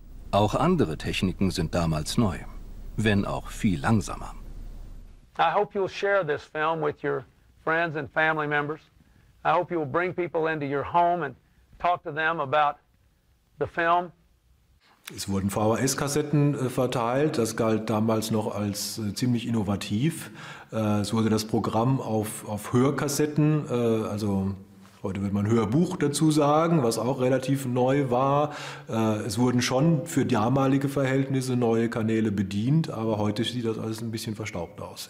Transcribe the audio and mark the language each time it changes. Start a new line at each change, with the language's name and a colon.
German: Auch andere Techniken sind damals neu, wenn auch viel langsamer.
English: I hope you'll share this film with your friends and family members. I hope you'll bring people into your home and talk to them about the film.
German: Es wurden VHS-Kassetten verteilt, das galt damals noch als ziemlich innovativ. Es wurde das Programm auf Hörkassetten, also heute wird man Hörbuch dazu sagen, was auch relativ neu war. Es wurden schon für damalige Verhältnisse neue Kanäle bedient, aber heute sieht das alles ein bisschen verstaubt aus.